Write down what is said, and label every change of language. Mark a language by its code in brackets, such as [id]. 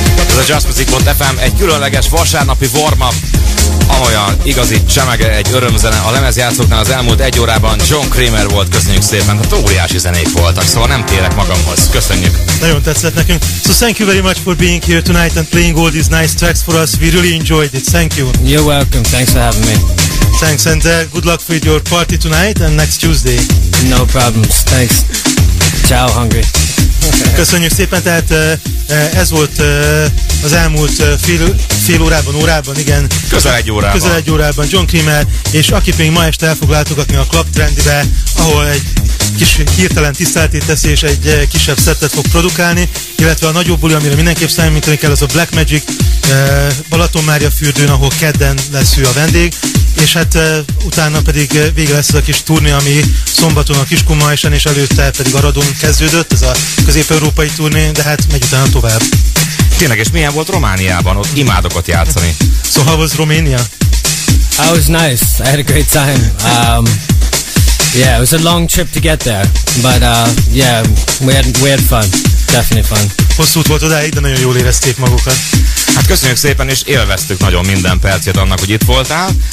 [hu] Ez a jazzmusic.fm egy különleges vasárnapi warm-up, amolyan igazi csemege, egy örömzene. A lemezjátszóknál az elmúlt egy órában John Kramer volt, köszönjük szépen, hát óriási zenék voltak, szóval nem térek magamhoz, köszönjük. Nagyon tetszett nekünk. [en] So thank you very much for being here tonight and playing all these nice tracks for us, we really enjoyed it, thank you. You're welcome, thanks for having me. Thanks and good luck with your party tonight and next Tuesday. No problems, thanks. Ciao, Hungary. [hu] Köszönjük szépen, tehát ez volt az elmúlt fél órában, órában, igen. Közel egy órában. Közel egy órában John Kramer, és akit még ma este el fog látogatni a Club Trendybe, ahol egy kis hirtelen tiszteletét teszi, és egy kisebb szettet fog produkálni, illetve a nagyobb buli, amire mindenképp számítani kell, az a Black Magic Balatonmária fürdőn, ahol kedden lesz ő a vendég, és hát utána pedig vége lesz az a kis turné, ami szombaton a Kiskunmajsán, és előtte pedig Aradon kezdődött, ez a közép-európai turné, de hát megy utána tovább. Tényleg, és milyen volt Romániában? Ott imádok ott játszani. [en] So how was Romania? It was nice. I had a great time. Yeah, it was a long trip to get there. But yeah, we had fun. Definitely fun. [hu] Hosszú út volt odáig, de nagyon jól érezték magukat. Hát köszönjük szépen, és élveztük nagyon minden percét annak, hogy itt voltál.